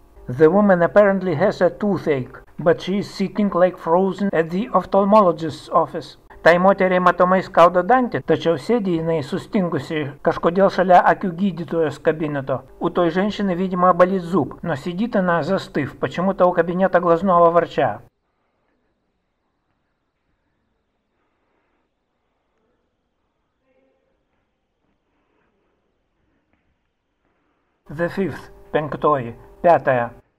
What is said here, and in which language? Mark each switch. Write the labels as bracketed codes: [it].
[en] The woman apparently has a toothache, but she is sitting like frozen at the ophthalmologist's office. [lt] Tai moteriai matomai skauda dantį, tačiau sėdi jinai sustingusi kažkodėl šalia akių gydytojos kabineto. [ru] У той женщины, видимо, болит зуб, но сидит она застыв, почему-то у кабинета глазного врача. [en] The fifth, [ru] пенктой, пятая.